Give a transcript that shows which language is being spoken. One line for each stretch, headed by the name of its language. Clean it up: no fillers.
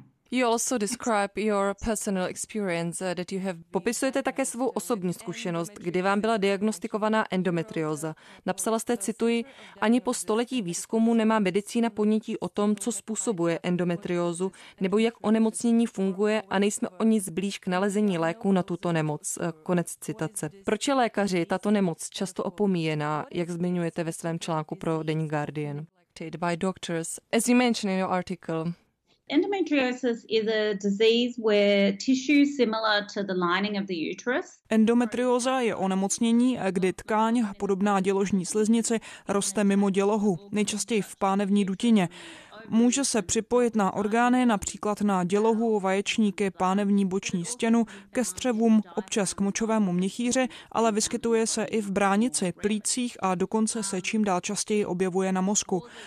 English: You also describe your personal experience that you have.
Czech: Popisujete také svou osobní zkušenost, kdy vám byla diagnostikovaná endometrióza. Napsala jste, cituji, ani po století výzkumu nemá medicína ponětí o tom, co způsobuje endometriózu, nebo jak onemocnění funguje a nejsme o nic blíž k nalezení léku na tuto nemoc. Konec citace. Proč je lékaři tato nemoc často opomíjená, jak zmiňujete ve svém článku pro deník Guardian?
English: By doctors, as you mentioned in your article. Endometriosis is a disease where tissue similar to the lining of the uterus.
Czech: Endometrióza je onemocnění, kdy tkáň podobná děložní sliznici roste mimo dělohu, nejčastěji v pánevní dutině. Může se připojit na orgány, například na dělohu, vaječníky, pánevní boční stěnu, ke střevům, občas k močovému měchýři, ale vyskytuje se i v bránici, plících a dokonce se čím dál častěji objevuje na mozku.